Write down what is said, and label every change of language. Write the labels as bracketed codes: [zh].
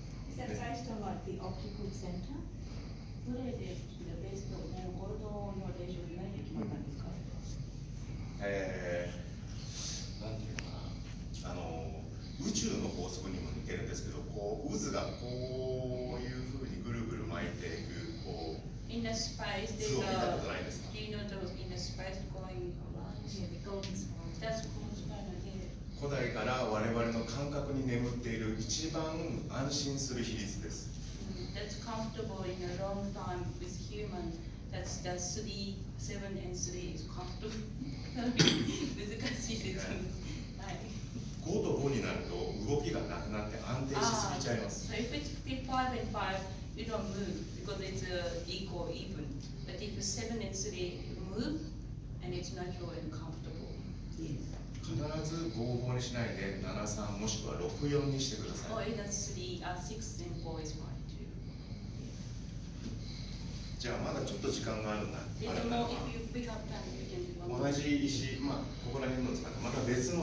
[en] Is that based on like the optical center? What is it based on? No, all the knowledge you learn, you can learn this concept. [ja] なんていうかな、宇宙の法則にも似てるんですけど、こう渦がこういうふうにぐるぐる巻いていく、こう。 [en] In the space, there's a. Do you know those in the space going around? Yeah, the golden spiral. That's golden spiral, yeah. [ja] 古代から我々の感覚に眠っている一番安心する比率です。 [en] That's comfortable in a long time with humans. That's the three, seven, and three is comfortable. [ja] 難しいですね。 5と5になると動きがなくなって安定しすぎちゃいます。 [en] So if it's 5 and 5, you don't move because it's equal, even. But if it's 7 and 3, you move and it's natural and comfortable. [ja] 必ず5-5にしないで 7-3 もしくは 6-4 にしてください。 [en] Or either 6 and 4 is fine too. [ja] じゃあまだちょっと時間があるな。同じ石、ここら辺の使ってまた別の。